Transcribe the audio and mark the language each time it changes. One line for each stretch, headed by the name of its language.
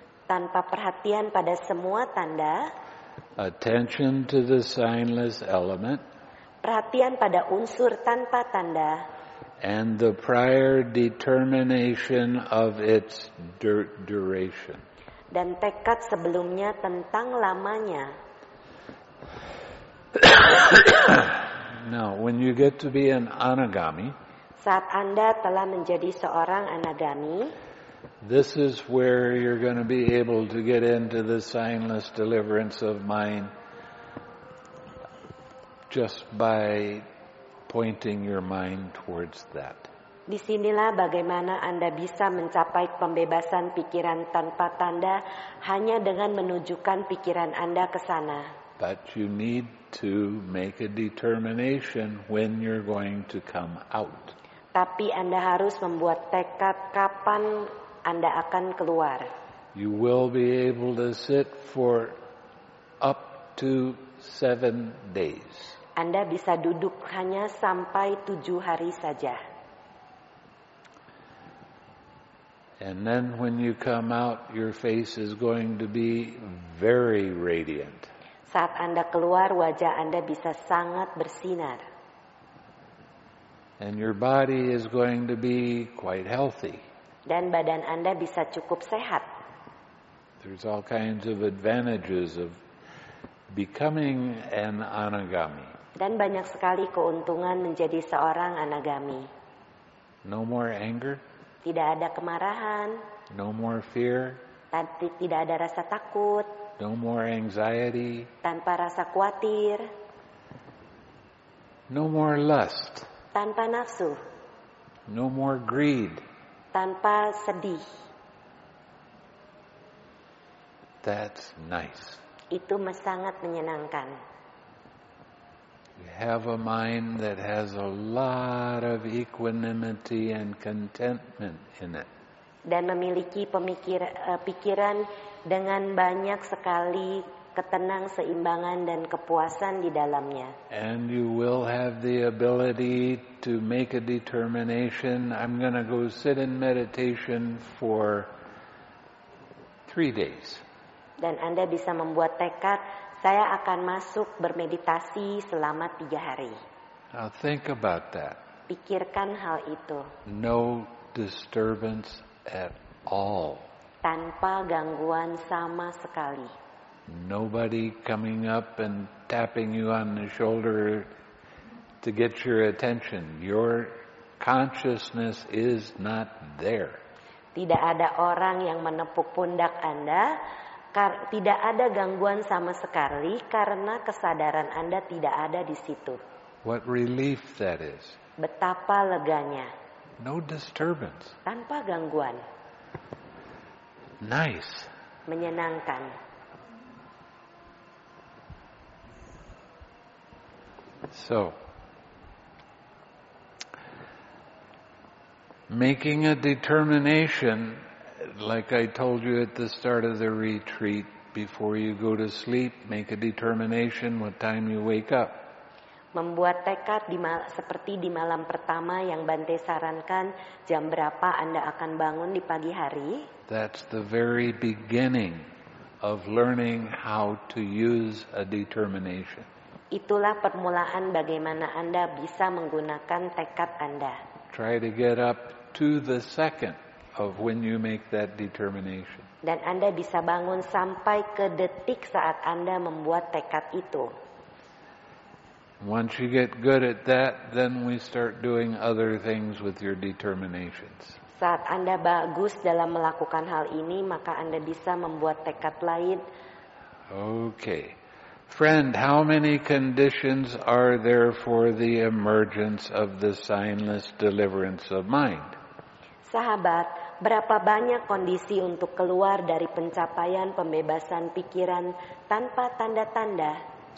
Indonesian: Tanpa perhatian pada semua tanda.
English: Attention to the signless element.
Indonesian: Perhatian pada unsur tanpa tanda.
English: And the prior determination of its duration.
Indonesian: Dan tekad sebelumnya tentang lamanya.
English: Now, when you get to be an anagami,
Indonesian: saat Anda telah menjadi seorang anagami,
English: this is where you're going to be able to get into the signless deliverance of mind. Just by pointing your mind towards that.
Indonesian: Disinilah bagaimana Anda bisa mencapai pembebasan pikiran tanpa tanda hanya dengan menunjukkan pikiran Anda ke sana.
English: But you need to make a determination when you're going to come out.
Indonesian: Tapi Anda harus membuat tekad kapan Anda akan keluar.
English: You will be able to sit for up to 7 days.
Indonesian: Anda bisa duduk hanya sampai 7 hari saja.
English: And then when you come out, your face is going to be very radiant.
Indonesian: Saat Anda keluar, wajah Anda bisa sangat bersinar.
English: And your body is going to be quite healthy.
Indonesian: Dan badan Anda bisa cukup sehat.
English: There's all kinds of advantages of becoming an anagami.
Indonesian: Dan banyak sekali keuntungan menjadi seorang anagami.
English: No more anger.
Indonesian: Tidak ada kemarahan.
English: No more fear.
Indonesian: Tidak ada rasa takut.
English: No more anxiety.
Indonesian: Tanpa rasa khawatir.
English: No more lust.
Indonesian: Tanpa nafsu.
English: No more greed.
Indonesian: Tanpa sedih.
English: That's nice.
Indonesian: Itu sangat menyenangkan.
English: You have a mind that has a lot of equanimity and contentment in it.
Indonesian: Dan memiliki pikiran dengan banyak sekali ketenang, seimbangan, dan kepuasan di dalamnya.
English: And you will have the ability to make a determination. I'm going to go sit in meditation for 3 days.
Indonesian: Dan Anda bisa membuat tekad, saya akan masuk bermeditasi selama 3 hari.
English: Now think about that.
Indonesian: Pikirkan hal itu.
English: No disturbance at all.
Indonesian: Tanpa gangguan sama sekali.
English: Nobody coming up and tapping you on the shoulder to get your attention. Your consciousness is not there.
Indonesian: Tidak ada orang yang menepuk pundak Anda. Tidak ada gangguan sama sekali karena kesadaran Anda tidak ada di situ.
English: What relief that is.
Indonesian: Betapa leganya.
English: No disturbance.
Indonesian: Tanpa gangguan.
English: Nice.
Indonesian: Menyenangkan.
English: So, making a determination, like I told you at the start of the retreat, before you go to sleep, make a determination what time you wake up.
Indonesian: Membuat tekad seperti di malam pertama yang Bante sarankan, jam berapa Anda akan bangun di pagi hari.
English: That's the very beginning of learning how to use a determination.
Indonesian: Itulah permulaan bagaimana Anda bisa menggunakan tekad Anda.
English: Try to get up to the second of when you make that determination.
Indonesian: Dan Anda bisa bangun sampai ke detik saat Anda membuat tekad itu.
English: Once you get good at that, then we start doing other things with your determinations.
Indonesian: Saat Anda bagus dalam melakukan hal ini, maka Anda bisa membuat tekad lain.
English: Okay. Friend, how many conditions are there for the emergence of the signless deliverance of mind?
Indonesian: Sahabat, berapa banyak kondisi untuk keluar dari pencapaian pembebasan pikiran tanpa tanda-tanda?